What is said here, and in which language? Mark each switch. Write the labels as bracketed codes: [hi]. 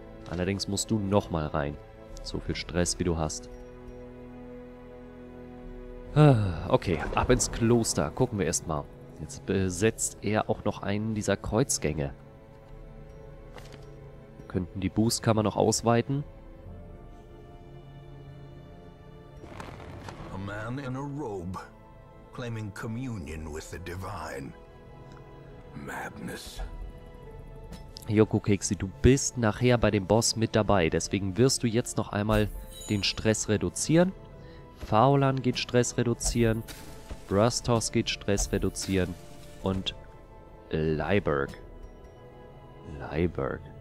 [de] Allerdings musst du nochmal rein. So viel Stress, wie du hast. Okay, ab ins Kloster. Gucken wir erstmal. Jetzt besetzt er auch noch einen dieser Kreuzgänge. Wir könnten die Bußkammer noch ausweiten. [en] A man in a robe, claiming communion with the divine. Madness. [de] Joko Keksi, du bist nachher bei dem Boss mit dabei, deswegen wirst du jetzt noch einmal den Stress reduzieren. Faulan geht Stress reduzieren, Brastos geht Stress reduzieren und Lyberg. Lyberg.